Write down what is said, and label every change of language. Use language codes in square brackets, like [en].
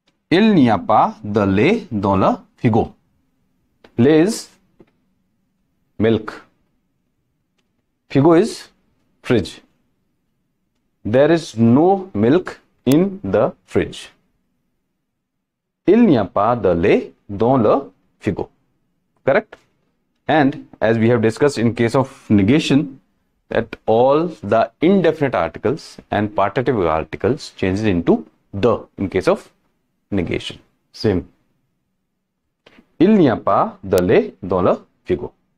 [fr] Il n'y a pas de lait dans le frigo. [en] Lait is milk. Frigo is fridge. There is no milk in the fridge. [fr] Il n'y a pas de lait dans le frigo. [en] Correct? And as we have discussed in case of negation, that all the indefinite articles and partitive articles changes into the in case of negation. Same. [fr] Il n'y a pas de lait dans le frigo.